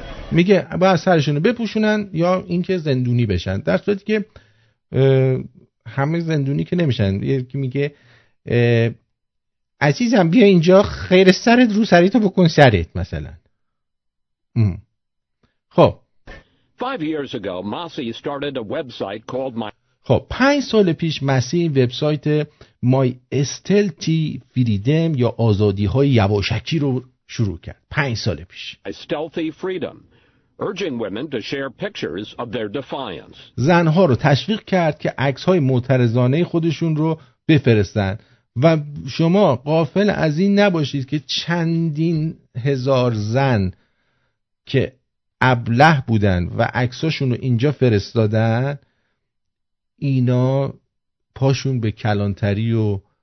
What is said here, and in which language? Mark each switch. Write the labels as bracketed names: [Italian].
[Persian] میگه باید سرشونو بپوشونن یا اینکه زندونی بشن. در صورتی که همه زندونی که نمیشن. یکی میگه عزیزم بیا اینجا خیر سرت رو سریتو بکن سرت مثلا. خب [English] 5 years ago Masi started a website called my [Persian] خب 5 سال پیش مسی وبسایت مای استلتی فریدم یا آزادی های یواشکی رو شروع کرد. 5 سال پیش [English] Stealthy Freedom urging women to share pictures of their defiance. [Persian] زن ها رو تشویق کرد که عکس های معترضانه خودشون رو بفرستن و شما غافل از این نباشید که چندین هزار زن که ابله بودن و عکساشون رو اینجا فرستادن اینا پاشون به کلانتری و